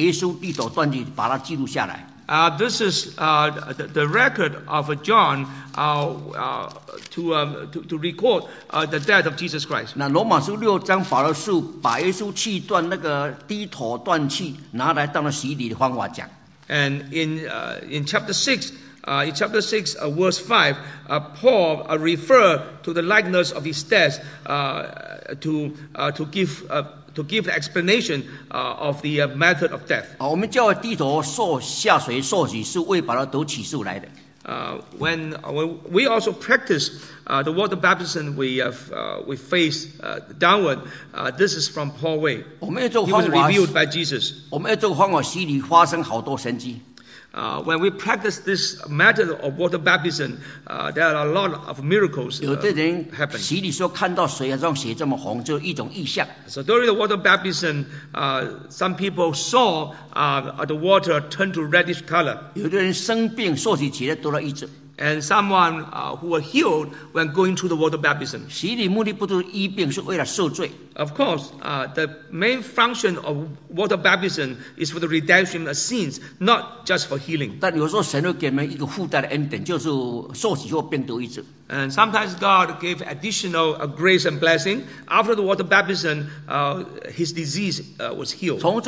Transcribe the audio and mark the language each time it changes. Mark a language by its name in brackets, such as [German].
[Chinese] 约翰所看见的耶稣低头断气，把它记录下来。 [English] This is the record of John to record the death of Jesus Christ. [Chinese] 那罗马书六章保罗书把耶稣气断那个低头断气拿来当了洗礼的方法讲。 [English] And in chapter six, verse 5, Paul referred to the likeness of his death to give the explanation of the method of death. [Chinese] 我们叫低头受下水受洗，是为保罗得启示来的。 [English] When we also practice the water baptism, we face downward. This is from Paul Wei. He was revealed by Jesus. [Chinese] 我们要做方法洗礼，发生好多神迹。 [English] When we practice this method of water baptism, there are a lot of miracles happen. [Chinese] 洗礼说看到水像血这么红，就一种异象。 [English] So during the water baptism, some people saw the water turn to reddish color. [Chinese] 有的人生病，受洗起来得了医治。 [English] And someone who were healed when going through the water baptism. [Chinese] 洗礼目的不是医病，是为了赎罪。 [English] Of course, the main function of water baptism is for the redemption of sins, not just for healing. [Chinese] 但有时候神会给我们一个附带的恩典，就是受洗后病得医治。 [English] And sometimes God gave additional grace and blessing. After the water baptism, his disease was healed.